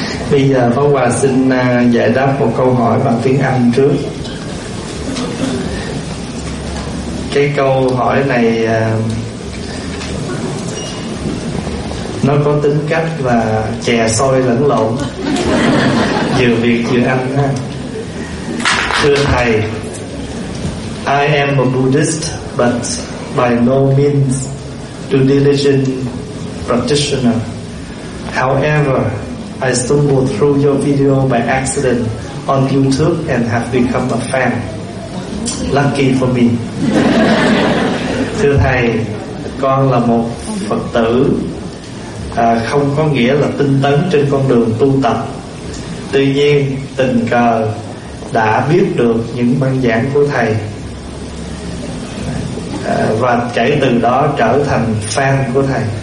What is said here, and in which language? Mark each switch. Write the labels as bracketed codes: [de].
[vi] Bây giờ Pháp Hòa xin giải đáp một câu hỏi bằng tiếng Anh trước. Cái câu hỏi này nó có tính cách là chè xôi lẫn lộn, vừa Việt vừa Anh ha. Thưa Thầy, [en] I am a Buddhist, but by no means due diligence practitioner. However, I stumbled through your video by accident on YouTube and have become a fan. Lucky for me. [vi] Thưa Thầy, con là một Phật tử, không có nghĩa là tinh tấn trên con đường tu tập. Tuy nhiên, tình cờ đã biết được những băng giảng của Thầy và kể từ đó trở thành fan của Thầy.